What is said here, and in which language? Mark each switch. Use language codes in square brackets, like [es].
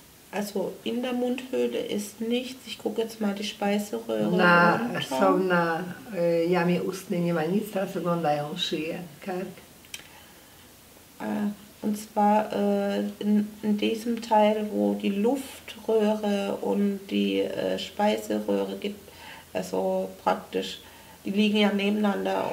[de] Also in der Mundhöhle ist nichts. Ich gucke jetzt mal die Speiseröhre. [pl] Na, są na jamie ustnej, nie ma nic, teraz oglądają szyję, kark. [de] Und zwar in diesem Teil, wo die Luftröhre und die Speiseröhre gibt, also praktisch, die liegen ja nebeneinander.